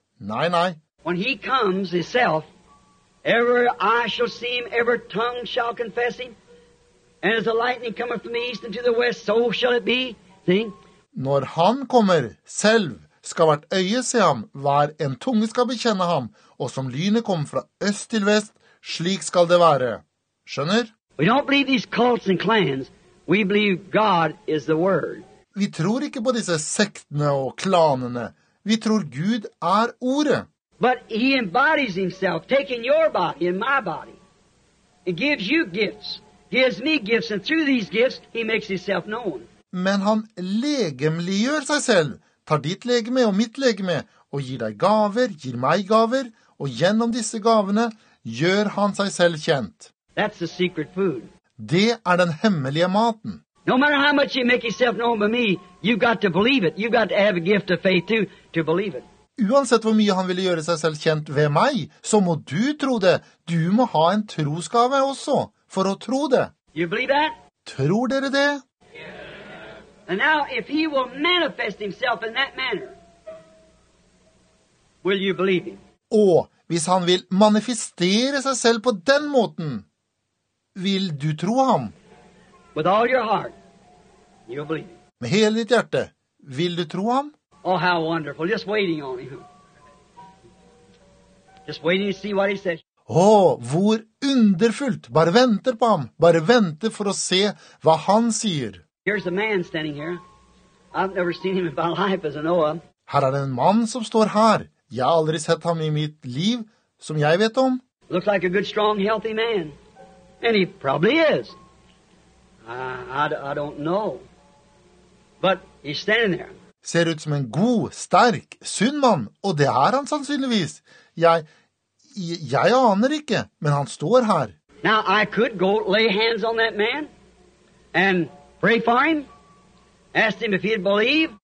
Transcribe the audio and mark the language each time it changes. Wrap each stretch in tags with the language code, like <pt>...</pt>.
<en>When he comes himself, ever I shall see him, ever tongue shall confess him, and as the lightning cometh from the east unto the west, so shall it be. See?</en> <no>Når han kommer selv, skal hvert øye se ham, hver en tunge skal bekjenne ham, og som lynet kommer fra øst til vest, slik skal det være. Skjønner?</no> <en>We don't believe these cults and clans. We believe God is the word.</en> <no>Vi tror ikke på disse sektene og klanene. Vi tror Gud er ordet.</no> <en>But he embodies himself, taking your body and my body. He gives you gifts. Gives me gifts, and through these gifts, he makes himself known.</en> <no>Men han legemliggjør seg selv, tar ditt legeme og mitt legeme, og gir deg gaver, gir meg gaver, og gjennom disse gavene gjør han seg selv kjent.</no> <en>That's the secret food.</en> <no>Det er den hemmelige maten.</no> <en>No matter how much you make yourself known by me, you've got to believe it. You've got to have a gift of faith too, to believe it.</en> <no>Uansett hvor mye han ville gjøre seg selv kjent ved meg, så må du tro det. Du må ha en trosgave også, for å tro det.</no> <en>You believe that?</en> <no>Tror dere det?</no> <en>And now, if he will manifest himself in that manner, will you believe him?</en> <no>Og hvis han vil manifestere seg selv på den måten, vil du tro ham?</no> <en>With all your heart, you'll believe him.</en> <no>Med hele ditt hjerte, vil du tro ham?</no> <en>Oh, how wonderful. Just waiting on him. Just waiting to see what he says.</en> <no>Hvor underfullt. Bare venter på ham. Bare venter for å se hva han sier.</no> <en>Here's a man standing here. I've never seen him in my life as I know him.</en> <no>Her er en mann som står her. Jeg har aldri sett ham i mitt liv, som jeg vet om.</no> <en>Looks like a good, strong, healthy man. And he probably is. I don't know. But he's standing there.</en> <no>Ser ut som en god, sterk, sunn mann. Og det er han sannsynligvis. Jeg aner ikke, men han står her.</no> <en>Now, I could go lay hands on that man and pray for him, ask him if he'd believe.</en>